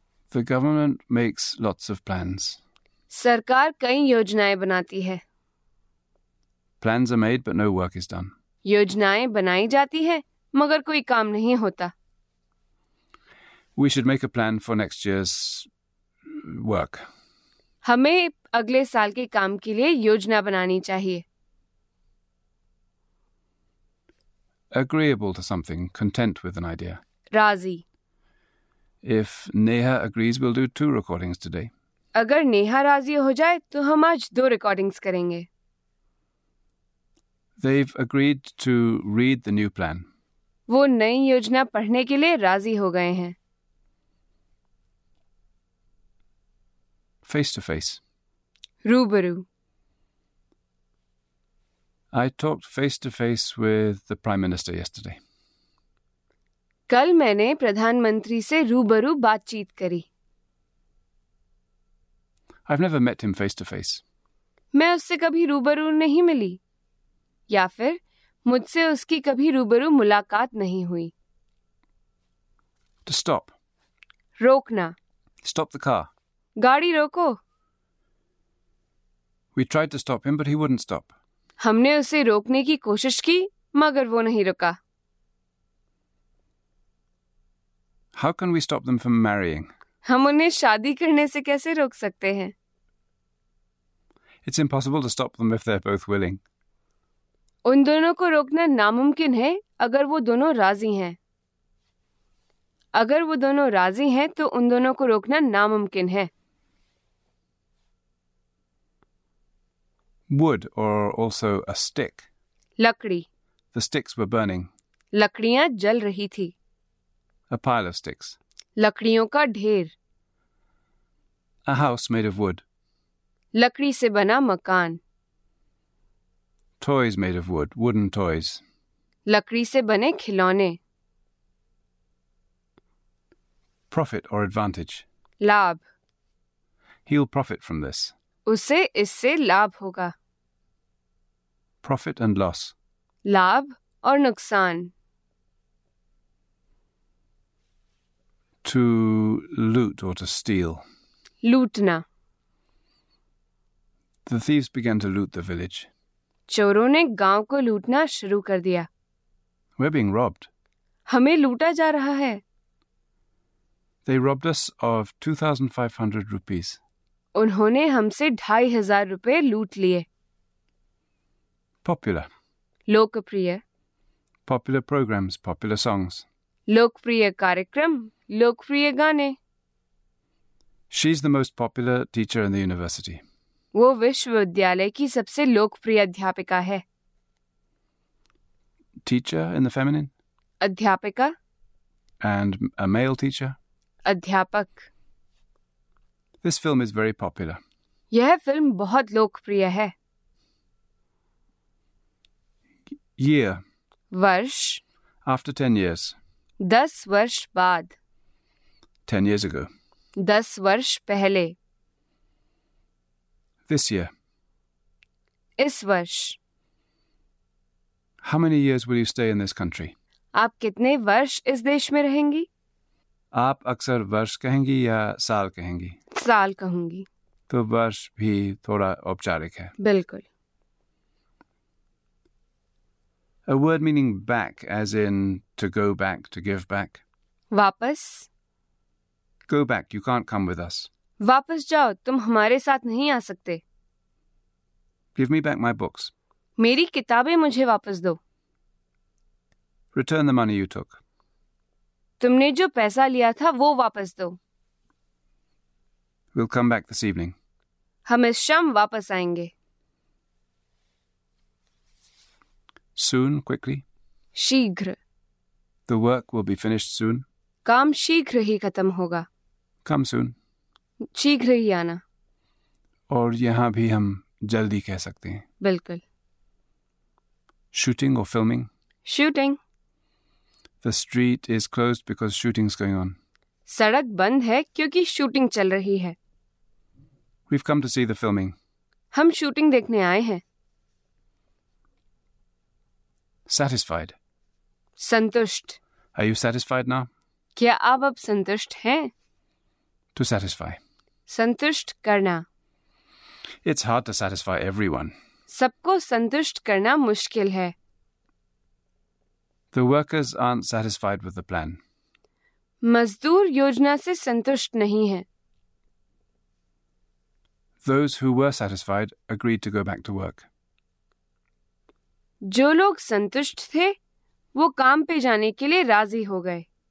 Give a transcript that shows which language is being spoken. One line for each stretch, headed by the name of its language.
English: The government makes lots of plans.
Hindi: सरकार कई योजनाएं बनाती है.
English: Plans are made, but no work is done.
Hindi: योजनाएं बनाई जाती है मगर कोई काम नहीं होता.
English: We should make a plan for next year's work.
Hindi: हमें अगले साल के काम के लिए योजना बनानी चाहिए.
English: Agreeable to something, content with an idea.
Hindi: Razi.
English: If Neha agrees, we'll do two recordings today.
Hindi: अगर नेहा राजी हो जाए तो हम आज दो recordings करेंगे.
English: They've agreed to read the new plan.
Hindi: वो नई योजना पढ़ने के लिए राजी हो गए हैं.
English: Face to face.
Hindi: रूबरू.
English: I talked face to face with the Prime Minister yesterday.
Hindi: कल मैंने प्रधानमंत्री से रूबरू बातचीत करी.
English: I've never met him face to face.
Hindi: मैं उससे कभी रूबरू नहीं मिली, या फिर मुझसे उसकी कभी रूबरू मुलाकात नहीं हुई.
English: To stop.
Hindi: रोकना.
English: Stop the car.
Hindi: गाड़ी रोको.
English: We tried to stop him, but he wouldn't stop.
Hindi: हमने उसे रोकने की कोशिश की, मगर वो नहीं रुका.
English: How can we stop them from marrying?
Hindi: हम उन्हें शादी करने से कैसे रोक सकते हैं?
English: It's impossible to stop them if they're both willing.
Hindi: उन दोनों को रोकना नामुमकिन है अगर वो दोनों राजी हैं. अगर वो दोनों राजी हैं तो उन दोनों को रोकना नामुमकिन है.
English: Wood or also a stick.
Hindi: लकड़ी.
English: The sticks were burning.
Hindi: लकड़ियां जल रही थी.
English: A pile of sticks.
Hindi: लकड़ियों का ढेर.
English: A house made of wood.
Hindi: लकड़ी से बना मकान.
English: Toys made of wood, wooden toys.
Hindi: लकड़ी से बने खिलौने.
English: Profit or advantage.
Hindi: लाभ.
English: He'll profit from this.
Hindi: उसे इससे लाभ होगा.
English: Profit and loss.
Hindi: लाभ और नुकसान.
English: To loot or to steal.
Hindi: लूटना.
English: The thieves began to loot the village.
Hindi: चोरों ने गांव को लूटना शुरू कर दिया.
English: We're being robbed.
Hindi: हमें लूटा जा रहा है.
English: They robbed us of 2,500 rupees.
Hindi: उन्होंने हमसे 2,500 रुपए लूट लिए.
English: Popular.
Hindi: लोकप्रिय.
English: Popular programs, popular songs.
Hindi: लोकप्रिय कार्यक्रम, लोकप्रिय गाने.
English: She's the most popular teacher in the university.
Hindi: वो विश्वविद्यालय की सबसे लोकप्रिय अध्यापिका है.
English: Teacher in the feminine.
Hindi: अध्यापिका.
English: And a male teacher.
Hindi: अध्यापक.
English: This film is very popular.
Hindi: यह फिल्म बहुत लोकप्रिय है.
English: Year.
Hindi: वर्ष.
English: After 10 years.
Hindi: 10 वर्ष बाद.
English: 10 years ago.
Hindi: 10 वर्ष पहले.
English: This year.
Hindi: इस वर्ष.
English: How many years will you stay in this country?
Hindi: आप कितने वर्ष इस देश में रहेंगी? आप अक्सर वर्ष कहेंगी या साल कहेंगी? साल कहूंगी. तो वर्ष भी थोड़ा औपचारिक है. बिल्कुल.
English: A word meaning back, as in to go back, to give back.
Hindi: वापस.
English: Go back, you can't come with us.
Hindi: वापस जाओ, तुम हमारे साथ नहीं आ सकते.
English: Give me back my books.
Hindi: मेरी किताबें मुझे वापस दो.
English: Return the money you took.
Hindi: तुमने जो पैसा लिया था वो वापस दो.
English: We'll come back this evening.
Hindi: हम इस शाम वापस आएंगे.
English: Soon, quickly.
Hindi: शीघ्र. The work will be finished soon. काम शीघ्र ही खत्म होगा. Come soon. शीघ्र ही आना. और यहाँ भी हम जल्दी कह सकते हैं. बिल्कुल.
English: Shooting or filming? Shooting. The street is closed because shooting's going on.
Hindi: सड़क बंद है क्योंकि शूटिंग चल रही है.
English: We've come to see the filming.
Hindi: हम शूटिंग देखने आए हैं.
English: Satisfied.
Hindi: संतुष्ट.
English: Are you satisfied now?
Hindi: क्या आप अब संतुष्ट हैं?
English: To satisfy.
Hindi: संतुष्ट करना.
English: It's hard to satisfy everyone.
Hindi: सबको संतुष्ट करना मुश्किल है.
English: The workers aren't satisfied with the plan.
Hindi: मजदूर योजना से संतुष्ट नहीं है.
English: Those who were satisfied agreed to go back to work.
Hindi: जो लोग संतुष्ट थे वो काम पे जाने के लिए राजी हो गए.